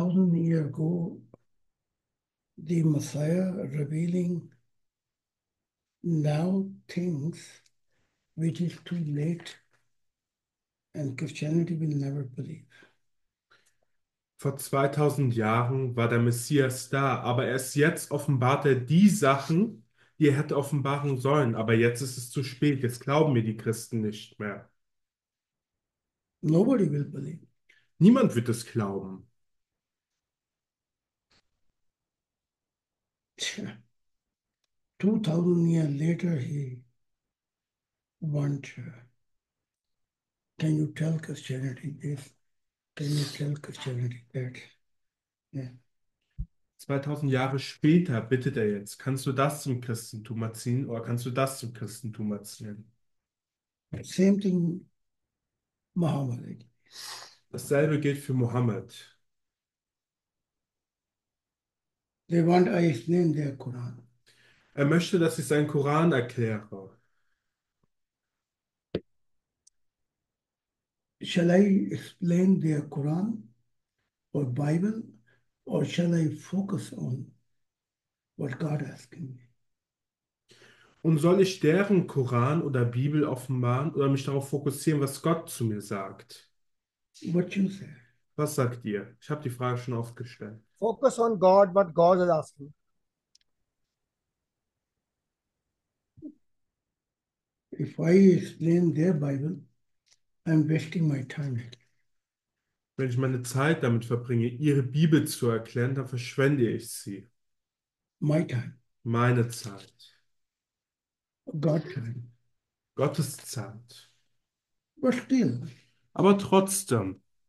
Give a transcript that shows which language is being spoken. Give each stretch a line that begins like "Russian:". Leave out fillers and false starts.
English: Years ago, the Messiah revealing now things which is too late and Christianity will never believe.
German: Vor 2000 Jahren war der Messias da, aber erst jetzt offenbart er die Sachen, die er hätte offenbaren sollen, aber jetzt ist es zu spät, jetzt glauben mir die Christen nicht mehr.
English: Nobody will believe.
German: Niemand wird es glauben. Tja.
English: 2000 years later, he wonder, can you tell Christianity this? Can you tell Christianity that? Yeah.
German: 2000 Jahre später bittet er jetzt, kannst du das zum Christentum erziehen oder kannst du das zum Christentum erziehen?
English: Same thing. Mohammed.
German: Dasselbe gilt für Mohammed.
English: They want to explain their Quran.
German: Er möchte, dass ich seinen Koran erkläre.
English: Shall I explain their Quran or Bible or shall I focus on what God asking me?
German: Und soll ich deren Koran oder Bibel offenbaren oder mich darauf fokussieren, was Gott zu mir sagt?
English: What you say?
German: Was sagt ihr? Ich habe die Frage schon oft gestellt.
English: Focus on God, what God is asking. If I explain their Bible, I'm wasting my time.
German: Wenn ich meine Zeit damit verbringe, ihre Bibel zu erklären, dann verschwende ich sie.
English: My time.
German: Meine Zeit.
English: God time.
German: Gottes Zeit.
English: But still.
German: Aber trotzdem,